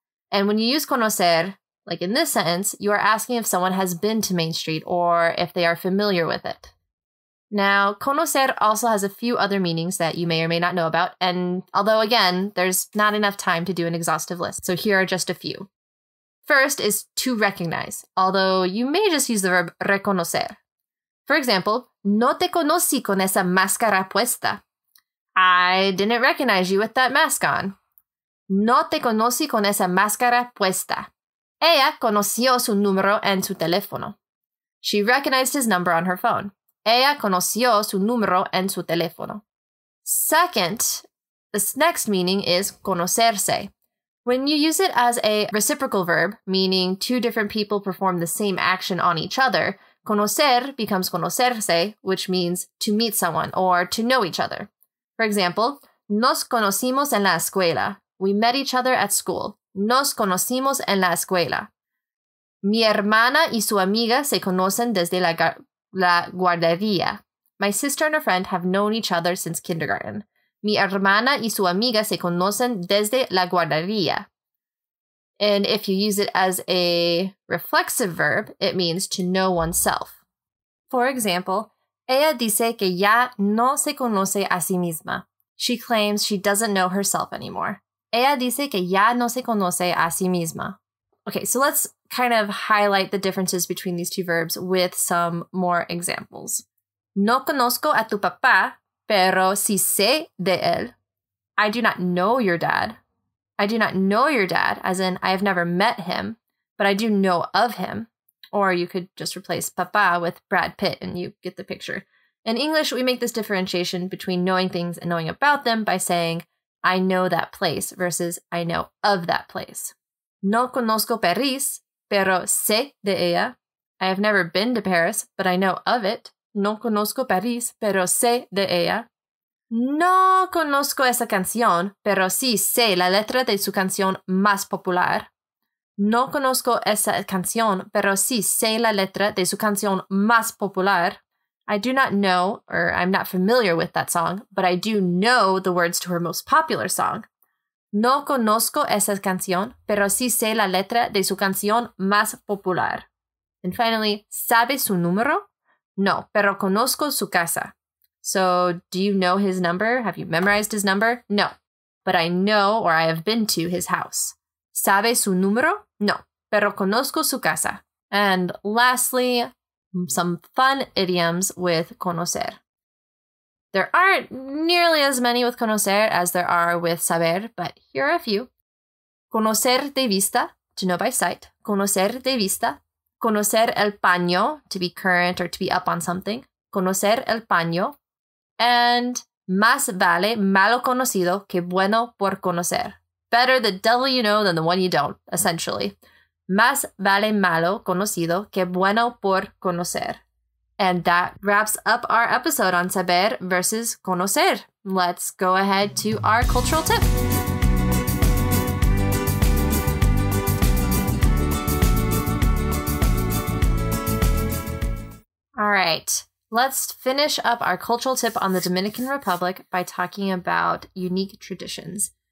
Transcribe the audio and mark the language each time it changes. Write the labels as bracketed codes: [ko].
[en] And when you use conocer, like in this sentence, you are asking if someone has been to Main Street or if they are familiar with it. Now, conocer also has a few other meanings that you may or may not know about, and although, again, there's not enough time to do an exhaustive list, so here are just a few. First is to recognize, although you may just use the verb reconocer. For example, [es] no te conocí con esa máscara puesta. [en] I didn't recognize you with that mask on. [es] No te conocí con esa máscara puesta. Ella conoció su número en su teléfono. [en] She recognized his number on her phone. [es] Ella conoció su número en su teléfono. [en] Second, this next meaning is conocerse. When you use it as a reciprocal verb, meaning two different people perform the same action on each other, conocer becomes conocerse, which means to meet someone or to know each other. For example, [es] nos conocimos en la escuela. [en] We met each other at school. [es] Nos conocimos en la escuela. Mi hermana y su amiga se conocen desde la guardería. [en] My sister and a friend have known each other since kindergarten. [es] Mi hermana y su amiga se conocen desde la guardería. [en] And if you use it as a reflexive verb, it means to know oneself. For example, [es] ella dice que ya no se conoce a sí misma. [en] She claims she doesn't know herself anymore. [es] Ella dice que ya no se conoce a sí misma. [en] Okay, so let's kind of highlight the differences between these two verbs with some more examples. [es] No conozco a tu papá, pero sí sé de él. [en] I do not know your dad. I do not know your dad, as in I have never met him, but I do know of him. Or you could just replace papá with Brad Pitt and you get the picture. In English, we make this differentiation between knowing things and knowing about them by saying, I know that place versus I know of that place. [es] No conozco París, pero sé de ella. [en] I have never been to Paris, but I know of it. [es] No conozco París, pero sé de ella. No conozco esa canción, pero sí sé la letra de su canción más popular. No conozco esa canción, pero sí sé la letra de su canción más popular. [en] I do not know, or I'm not familiar with that song, but I do know the words to her most popular song. [es] No conozco esa canción, pero sí sé la letra de su canción más popular. [en] And finally, [es] ¿sabe su número? No, pero conozco su casa. [en] So, do you know his number? Have you memorized his number? No, but I know or I have been to his house. [es] ¿Sabe su número? No, pero conozco su casa. [en] And lastly, some fun idioms with conocer. There aren't nearly as many with conocer as there are with saber, but here are a few. [es] Conocer de vista, [en] to know by sight. [es] Conocer de vista. Conocer el paño, [en] to be current or to be up on something. [es] Conocer el paño. [en] And [es] más vale malo conocido que bueno por conocer. [en] Better the devil you know than the one you don't, essentially. [es] Más vale malo conocido que bueno por conocer. [en] And that wraps up our episode on saber versus conocer. Let's go ahead to our cultural tip. All right, let's finish up our cultural tip on the Dominican Republic by talking about unique traditions.